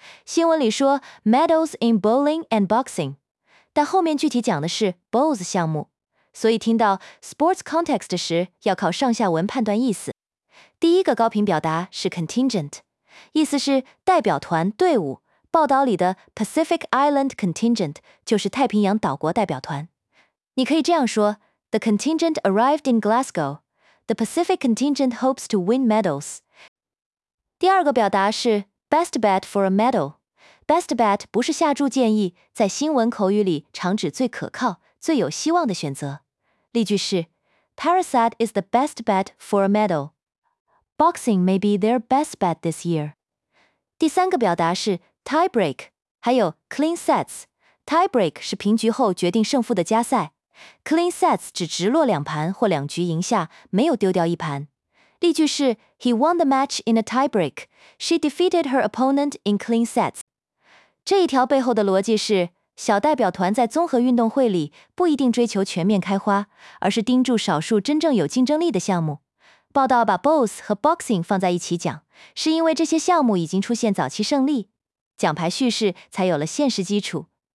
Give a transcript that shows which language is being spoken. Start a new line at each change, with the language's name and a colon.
Chinese: 新闻里说 Medals in Bowling and Boxing，但后面具体讲的是 Bowls 项目，所以听到 Sports Context 时要靠上下文判断意思。第一个高频表达是 Contingent， 意思是代表团、队伍，报道里的 Pacific Island Contingent 就是太平洋岛国代表团。
English: 你可以这样说： The contingent arrived in Glasgow. The Pacific contingent hopes to win medals. 第二个表达是 Best bet for a medal.
Chinese: Best bet 不是下注建议，在新闻口语里常指最可靠、最有希望的选择。
English: 例句是 Parasad is the best bet for a medal. Boxing may be their best bet this year.
Chinese: 第三个表达是 tie break， 还有 clean sets。 tie break 是平局后决定胜负的加赛， clean sets 指直落两盘或两局赢下，没有丢掉一盘。
English: 例句是 He won the match in a tie break. She defeated her opponent in clean sets.
Chinese: 这一条背后的逻辑是，小代表团在综合运动会里不一定追求全面开花，而是盯住少数真正有竞争力的项目。报道把 Bowls 和 Boxing 放在一起讲，是因为这些项目已经出现早期胜利，奖牌叙事才有了现实基础。